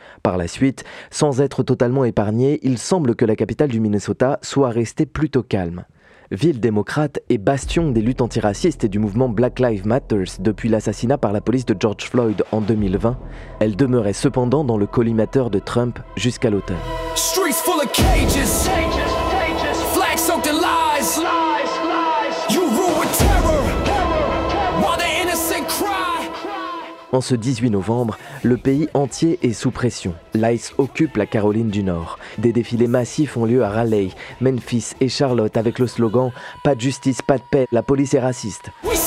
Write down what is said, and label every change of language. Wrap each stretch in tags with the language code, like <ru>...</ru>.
<fr>Par la suite, sans être totalement épargné, il semble que la capitale du Minnesota soit restée plutôt calme. Ville démocrate et bastion des luttes antiracistes et du mouvement Black Lives Matter depuis l'assassinat par la police de George Floyd en 2020, elle demeurait cependant dans le collimateur de Trump jusqu'à l'automne.</fr> <en>Streets full of cages, flags soaked in lies, you rule with terror, while the innocent cry.</en> <fr>En ce 18 novembre, le pays entier est sous pression. L'ICE occupe la Caroline du Nord. Des défilés massifs ont lieu à Raleigh, Memphis et Charlotte avec le slogan « Pas de justice, pas de paix, la police est raciste ».</fr>